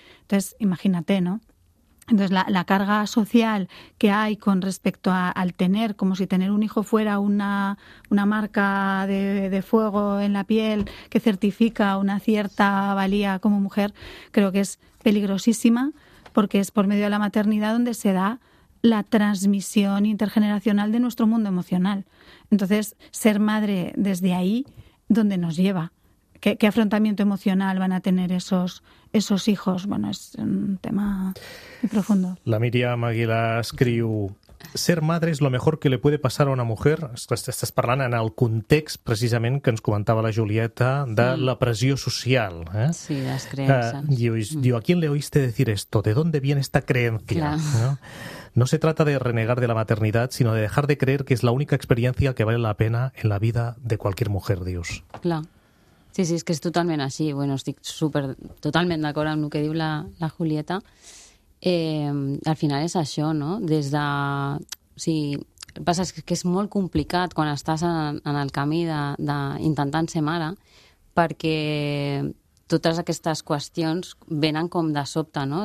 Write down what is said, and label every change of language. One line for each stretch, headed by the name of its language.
Spanish: Entonces, imagínate, ¿no? Entonces, la carga social que hay con respecto al tener, como si tener un hijo fuera una marca de fuego en la piel que certifica una cierta valía como mujer, creo que es peligrosísima porque es por medio de la maternidad donde se da la transmisión intergeneracional de nuestro mundo emocional. Entonces, ser madre desde ahí, ¿dónde nos lleva? ¿Qué afrontamiento emocional van a tener esos hijos? Bueno, es un tema muy profundo.
Catalan: La Míriam Aguilar escriu:
Spanish: ser madre es lo mejor que le puede pasar a una mujer.
Catalan: Estàs parlant en el context, precisament, que ens comentava la Julieta, de la pressió social. Sí, les creences.
Spanish: Diu, ¿a quién le oíste decir esto? ¿De dónde viene esta creencia? No se trata de renegar de la maternidad, sino de dejar de creer que es la única experiencia que vale la pena en la vida de cualquier mujer, dius. Claro.
Catalan: Sí, és que és totalment així. Bueno, estic super, totalment d'acord amb el que diu la Julieta. Al final és això, no? Des de... O sigui, el que passa és que és molt complicat quan estàs en el camí de intentant ser mare, perquè totes aquestes qüestions venen com de sobte, no?